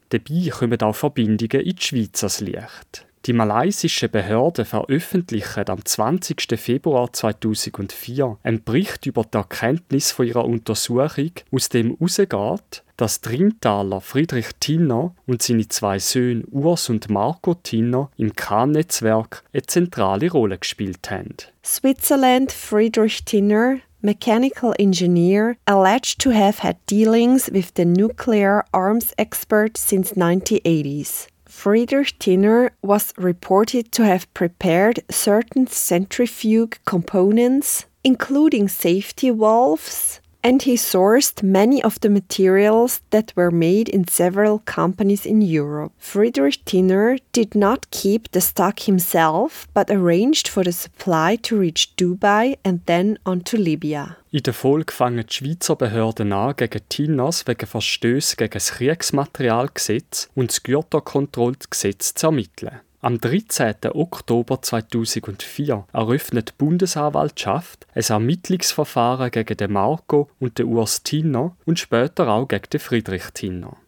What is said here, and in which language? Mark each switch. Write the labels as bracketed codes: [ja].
[de] Dabei kommen auch Verbindungen in die Schweiz ans Licht. Die malaysische Behörde veröffentlicht am 20. Februar 2004 einen Bericht über die Erkenntnis von ihrer Untersuchung, aus dem herausgeht, dass der Rintaler Friedrich Tinner und seine 2 Söhne Urs und Marco Tinner im Khan-Netzwerk eine zentrale Rolle gespielt haben. [en] Switzerland Friedrich Tinner, mechanical engineer, alleged to have had dealings with the nuclear arms expert since 1980s. Friedrich Tinner was reported to have prepared certain centrifuge components, including safety valves, and he sourced many of the materials that were made in several companies in Europe. Friedrich Tinner did not keep the stock himself, but arranged for the supply to reach Dubai and then on to Libya. [de] In der Folge fangen die Schweizer Behörden an, gegen Tinners wegen Verstöße gegen das Kriegsmaterialgesetz und das Güterkontrollgesetz zu ermitteln. Am 13. Oktober 2004 eröffnet die Bundesanwaltschaft ein Ermittlungsverfahren gegen den Marco und den Urs Tinner und später auch gegen den Friedrich Tinner.